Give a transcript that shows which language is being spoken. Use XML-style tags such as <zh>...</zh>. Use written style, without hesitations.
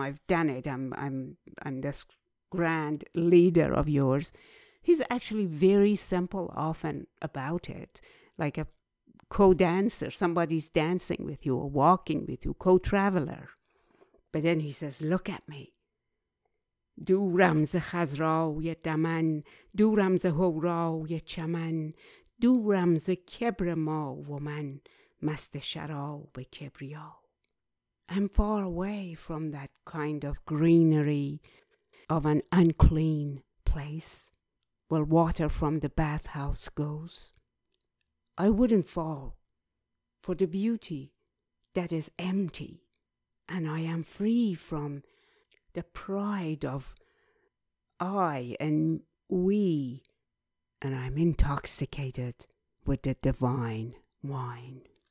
<en>I've done it. I'm this grand leader of yours. He's actually very simple often about it, like a co-dancer. Somebody's dancing with you or walking with you, co-traveler. But then he says, look at me.</en> <fa>دورم ز خزرای دمن، دورم ز هورای چمن، دورم ز کبر ما و من، مست شراب کبریا.</fa> <en>I'm far away from that kind of greenery of an unclean place where water from the bathhouse goes. I wouldn't fall for the beauty that is empty, and I am free from the pride of I and we, and I'm intoxicated with the divine wine.</en>